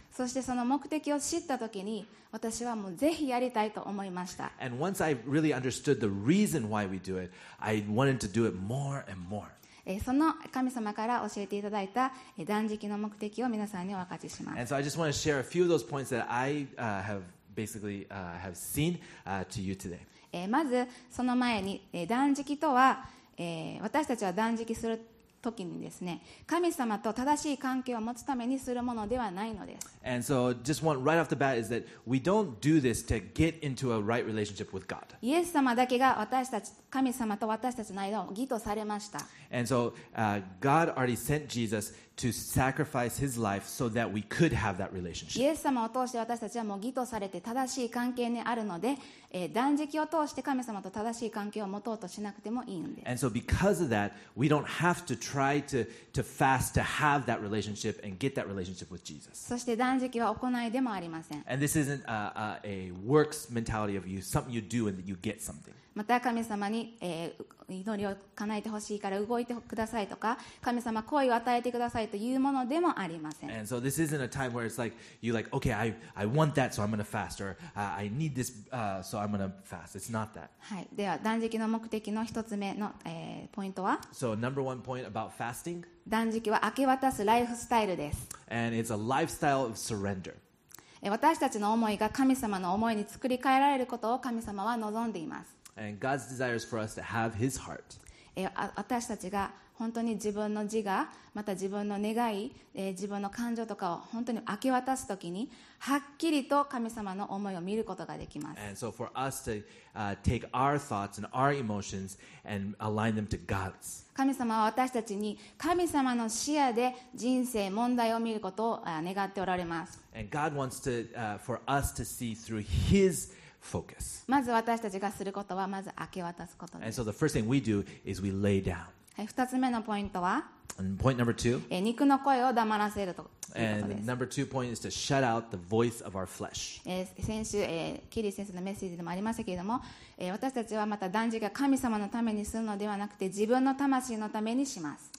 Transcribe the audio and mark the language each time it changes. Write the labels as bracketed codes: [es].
[ja] そしてその目的を知ったときに、私はもうぜひやりたいと思いました。 [en] And once I really understood the reason why we do it, I wanted to do it more and more. [ja] その神様から教えていただいた断食の目的を皆さんにお分かちします。 [en] And so I just want to share a few of those points that I have basically have seen to you today. [ja] まずその前に、断食とは、私たちは断食する。時にですね、神様と正しい関係を持つためにするものではないのです。 [en] And so, just one right off the bat is that we don't do this to get into a right relationship with God. [ja] イエス様だけが私たち、神様と私たちの間を義とされました。 [en] And so, God already sent Jesus to sacrifice His life so that we could have that relationship. [ja] イエス様を通して私たちはもう義とされて正しい関係にあるので、断食を通して神様と正しい関係を持とうとしなくてもいいんです。 [en] And so, because of that, we don't have to try to fast to have that relationship and get that relationship with Jesus. [ja] そして断食は行いでもありません。 [en] And this isn't a works mentality of you, something you do and you get something. [ja] また神様に、祈りを叶えてほしいから動いてくださいとか神様好意を与えてくださいというものでもありません。 [en] And so this isn't a time where it's like you're like, okay, I want that, so I'm gonna fast, or I need this, so I'm gonna fast. It's not that. [ja] はい、では断食の目的の一つ目の、ポイントは [en] So number one point about fasting. [ja] 断食は明け渡すライフスタイルです。 [en] And it's a lifestyle of surrender. [ja] 私たちの思いが神様の思いに作り変えられることを神様は望んでいます。 [en] And God's desire is for us to have His heart. [ja] 私たちが本当に自分の自我、また自分の願い、自分の感情とかを本当に明け渡すときに、はっきりと神様の思いを見ることができます。 [en] And so for us to, take our thoughts and our emotions and align them to God's. [ja] 神様は私たちに神様の視野で人生、問題を見ることを願っておられます。 [en] And God wants to, for us to see through His focus. [ja] まず私たちがすることはまず明け渡すことです。 [en] And so the first thing we do is we lay down. [ja] 二つ目のポイントは、 [en] point number two, [ja] 肉の声を黙らせるということです。 [en] And number two point is to shut out the voice of our flesh. [ja] 先週、キリ先生のメッセージでもありましたけれども、私たちはまた断食が神様のためにするのではなくて、自分の魂のためにします。